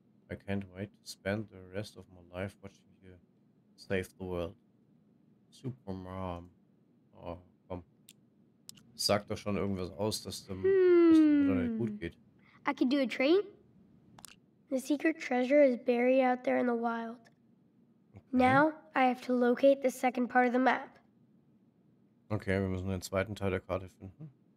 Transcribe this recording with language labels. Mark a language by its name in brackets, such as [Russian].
[English] I can't wait to spend the rest of my life watching you save the world. Super Mom. [German] Oh, komm. Sag doch schon irgendwas aus, dass dem Mutter nicht gut geht. [English] I could do a train. The secret treasure is buried out there in the wild. Okay. Now I have to locate the second part of the map. [German] Okay, wir müssen den zweiten Teil der Karte finden.